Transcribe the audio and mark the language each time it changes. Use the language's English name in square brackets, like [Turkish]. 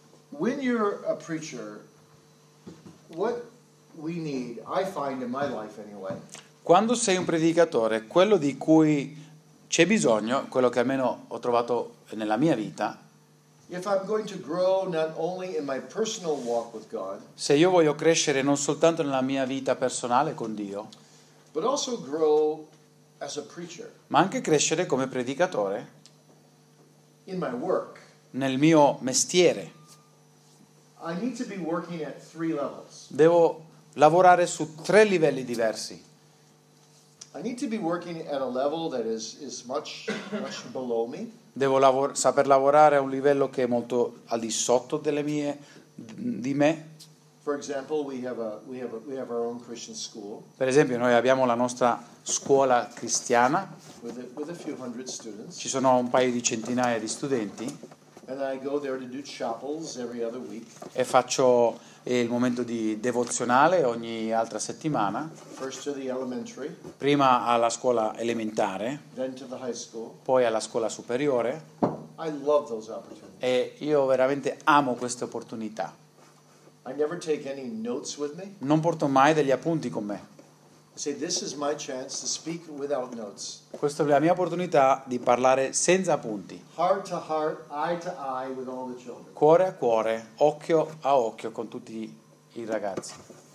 [English] When you're a preacher, what we need, I find in my life anyway. [Italian] Quando sei un predicatore, quello di cui c'è bisogno, quello che almeno ho trovato nella mia vita. Se io voglio crescere non soltanto nella mia vita personale con Dio, [English] but also grow as a preacher, [Italian] ma anche crescere come predicatore [English] in my work, [Italian] nel mio mestiere, [English] I need to be working at three levels. [Italian] Devo lavorare su tre livelli diversi. [English] I need to be working at a level that is much, much below me. [Italian] Devo saper lavorare a un livello che è molto al di sotto delle mie di me. [English] For example, we have our own Christian school. [Italian] Per esempio, noi abbiamo la nostra scuola cristiana. [English] With a few hundred students. [Italian] Ci sono un paio di centinaia di studenti. [English] And I go there to do chapels every other week. [Italian] E faccio il momento di devozionale ogni altra settimana. [English] First to the elementary, [Italian] prima alla scuola elementare, [English] then to the high school. [Italian] Poi alla scuola superiore. [English] I love those opportunities. [Italian] E io veramente amo queste opportunità. [English] I never take any notes with me. [Italian] Non porto mai degli appunti con me. [English] See, this is my chance to speak without notes. [Italian] Questa è la mia opportunità di parlare senza appunti. [English] Heart to heart, eye to eye with all the children. [Italian] Cuore a cuore, occhio a occhio con tutti i ragazzi.